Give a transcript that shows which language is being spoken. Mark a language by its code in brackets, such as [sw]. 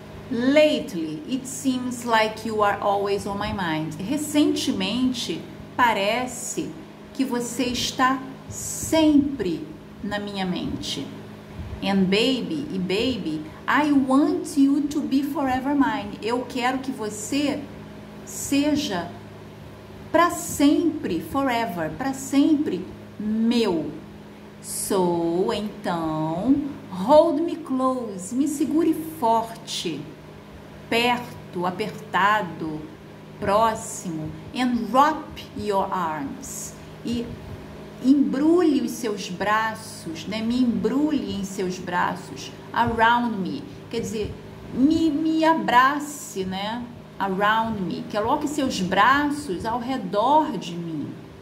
[en] Lately, it seems like you are always on my mind. [pt] Recentemente, parece que você está sempre na minha mente. [en] And baby, e baby, I want you to be forever mine. [pt] Eu quero que você seja para sempre, forever, para sempre, meu. So, então, [en] hold me close, [pt] me segure forte, perto, apertado, próximo, [en] and wrap your arms, [pt] e embrulhe os seus braços, né, me embrulhe em seus braços, [en] around me, [pt] quer dizer, me abrace, né, around me, que coloque seus braços ao redor de mim.